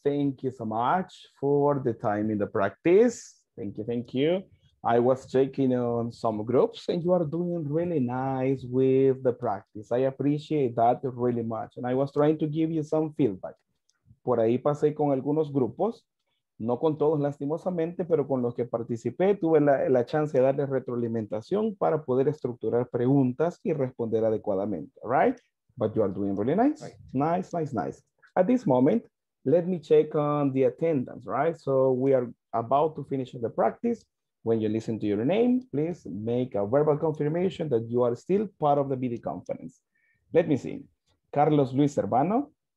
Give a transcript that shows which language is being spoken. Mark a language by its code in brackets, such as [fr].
[en] Thank you so much for the time in the practice. Thank you. I was checking on some groups and you are doing really nice with the practice. I appreciate that really much. And I was trying to give you some feedback. [es] Por ahí pasé con algunos grupos No con todos, lastimosamente, pero con los que participé, tuve la chance de darle retroalimentación para poder estructurar preguntas y responder adecuadamente. [en] Right? But you are doing really nice. Nice, nice, nice. At this moment, let me check on the attendance, right? So we are about to finish the practice. When you listen to your name, please make a verbal confirmation that you are still part of the BD conference. Let me see. Carlos Luis Serrano.